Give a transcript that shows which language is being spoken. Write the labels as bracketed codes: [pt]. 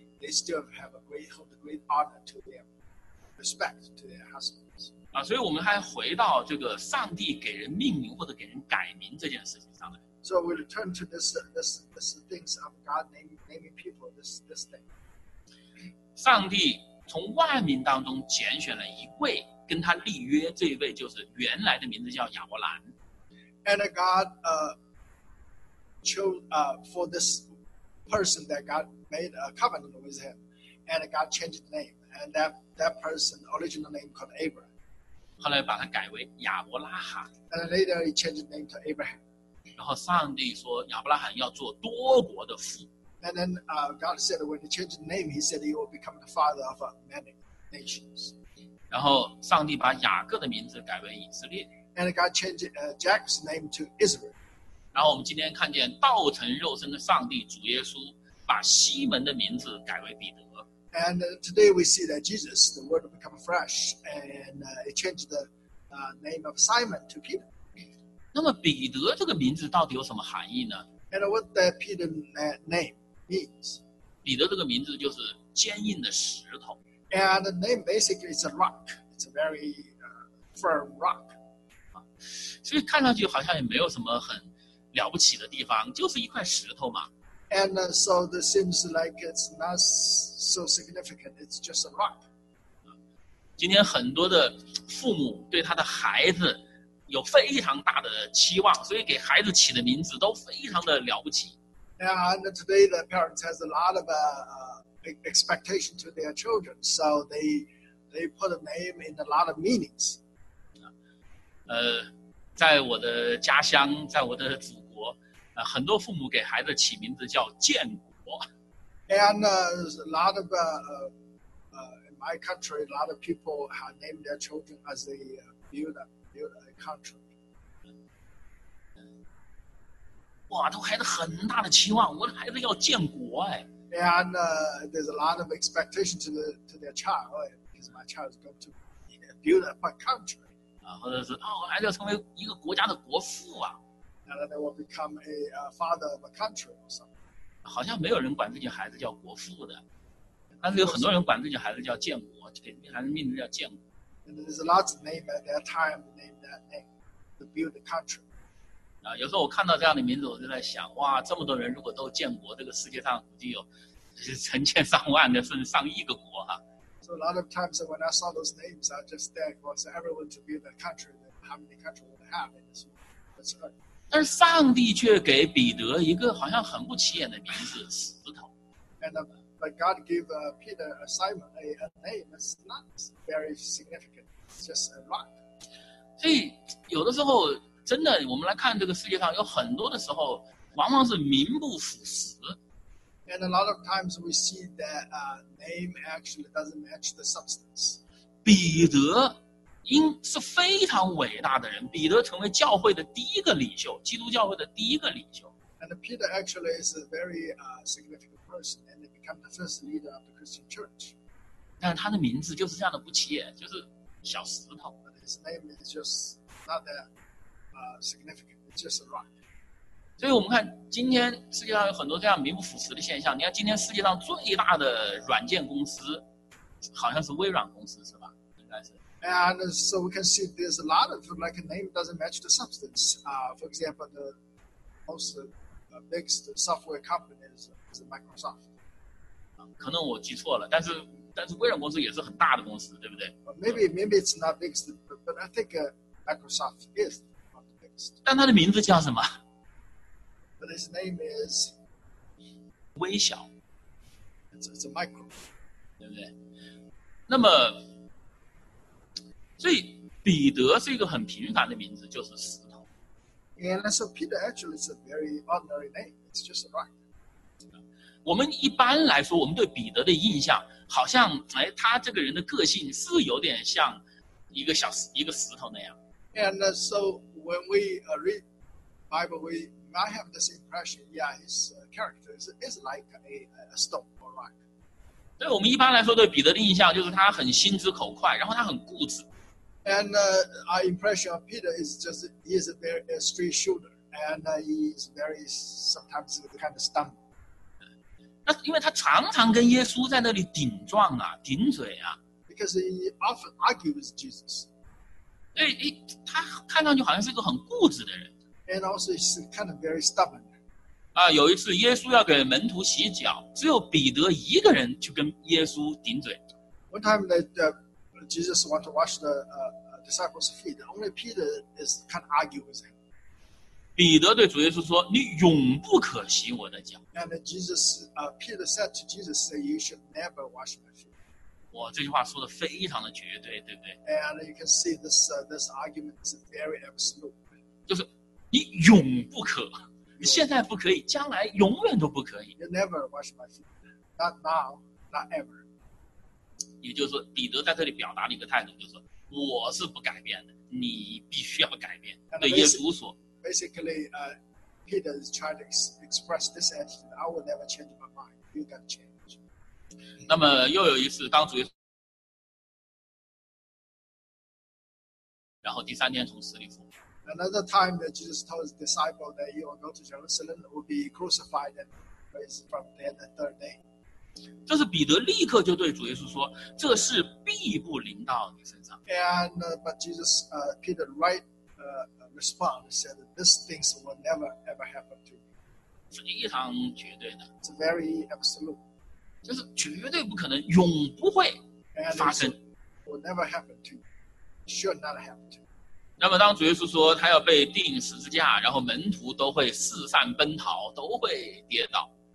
[en] They still have a great honor to them, respect to their husbands. [zh] 所以我们还回到这个上帝给人命名或者给人改名这件事情上来。 [en] So we return to this things of God naming people this thing. [zh] 上帝从万民当中拣选了一位跟他立约，这一位就是原来的名字叫亚伯兰。 [en] And God chose for this. Person that God made a covenant with him, and God changed the name, and that person original name called Abraham. [zh] 后来把他改为亚伯拉罕。 [en] And later he changed the name to Abraham. [zh] 然后上帝说亚伯拉罕要做多国的父。 [en] And then God said when he changed the name, he said he will become the father of many nations. [zh] 然后上帝把雅各的名字改为以色列。 [en] And God changed Jacob's name to Israel. [zh] 然后我们今天看见道成肉身的上帝主耶稣把西门的名字改为彼得。 [en] And today we see that Jesus, the word become flesh, and it changed the name of Simon to Peter. [zh] 那么彼得这个名字到底有什么含义呢 [en] ？And what that Peter name means? [zh] 彼得这个名字就是坚硬的石头。 [en] And the name basically is a rock. It's a very firm rock. [zh] 所以看上去好像也没有什么很。了不起的地方就是一块石头嘛。 [en] And so this seems like it's not so significant. It's just a rock. [zh] 今天很多的父母对他的孩子有非常大的期望，所以给孩子起的名字都非常的了不起。 [en] And today the parents has a lot of expectation to their children, so they put a name in a lot of meanings. [zh] 在我的家乡，在我的祖国，很多父母给孩子起名字叫建国。 [en] And a lot of in my country, a lot of people have named their children as they build a country. [zh] 哇，都孩子很大的期望，我的孩子要建国哎。 [en] And there's a lot of expectation to their child, because my child is going to build a country. [zh] 或者是我还要成为一个国家的国父啊 [en] ，and they will become a father of a country or something. [zh] 好像没有人管自己孩子叫国父的，但是有很多人管自己孩子叫建国，给孩子命名叫建国。 [en] And there's a lot of name at that time named that name to build a country. [zh] 有时候我看到这样的名字，我就在想，哇，这么多人如果都建国，这个世界上估计有成千上万的，甚至上亿个国哈。 [en] So a lot of times when I saw those names, I just thank God for everyone to be in that country, how many countries would have in this world. That's right. [zh] 但是上帝却给彼得一个好像很不起眼的名字——石头。 [en] And but God gave Peter a Simon a name that's not very significant. It's just a rock. [zh] 所以有的时候，真的，我们来看这个世界上，有很多的时候，往往是名不符实。 [en] And a lot of times we see that name actually doesn't match the substance. [zh] 彼得。因是非常伟大的人，彼得成为教会的第一个领袖，基督教会的第一个领袖。 [en] And Peter actually is a very significant person, and he became the first leader of the Christian church. [zh] 但他的名字就是这样的不起眼，就是小石头。 [en] But his name is just not that significant, it's just a rock. [zh] 所以我们看今天世界上有很多这样名不符实的现象。你看今天世界上最大的软件公司，好像是微软公司，是吧？应该是。 [en] And so we can see there's a lot of, like, a name doesn't match the substance. For example, the most biggest software company is Microsoft. [zh] 可能我记错了，但是微软公司也是很大的公司，对不对？ [en] Maybe it's not biggest, but I think Microsoft is not the biggest. [zh] 但它的名字叫什么？ [en] But its name is... [zh] 微小。 [en] It's a micro. [zh] 对不对？那么所以彼得是一个很平凡的名字，就是石头。 [en] And so Peter actually is a very ordinary name. It's just a rock. [zh] 我们一般来说，我们对彼得的印象，好像哎，他这个人的个性是有点像一个石头那样。 [en] And so when we read Bible, we might have this impression. Yeah, his character is like a stone or rock. [zh] 对，我们一般来说对彼得的印象就是他很心直口快，然后他很固执。 [en] And our impression of Peter is just he is a very a straight shoulder, and he is very sometimes kind of stumble. [zh] 那因为他常常跟耶稣在那里顶撞啊，顶嘴啊。 [en] Because he often argues with Jesus. [zh] 对，他看上去好像是一个很固执的人。 [en] And also he's kind of very stubborn. [zh] 啊，有一次耶稣要给门徒洗脚，只有彼得一个人去跟耶稣顶嘴。 [en] One time Jesus wants to wash the disciples' feet. Only Peter is kind of arguing with him. [zh] 彼得对主耶稣说：“你永不可洗我的脚。” [en] And Jesus, Peter said to Jesus, "You should never wash my feet." [zh] 哇，这句话说的非常的绝对，对不对？ [en] And you can see this this argument is very absolute. [zh] 就是你永不可，你现在不可以，将来永远都不可以。 [en] You never wash my feet. Not now. Not ever. [zh] 也就是说彼得在这里表达了一个态度，就是说我是不改变的，你必须要改变。对耶稣说 [en] Basically, Peter is trying to express this attitude. I will never change my mind. You got to change. [zh] 那么又有一次当主耶稣然后第三天从死里复活。 [en] Another time that Jesus told his disciples that he will go to Jerusalem will be crucified and raised from dead the third day. [zh] 这是彼得立刻就对主耶稣说：“这事必不临到你身上。” [en] And but Jesus, Peter, right, respond said, "These things will never ever happen to me." [zh] 非常绝对的。 [en] It's very absolute. [zh] 就是绝对不可能，永不会发生。 [en] And will never happen to you. Should not happen to you. [zh] 那么当主耶稣说他要被钉十字架，然后门徒都会四散奔逃，都会跌倒。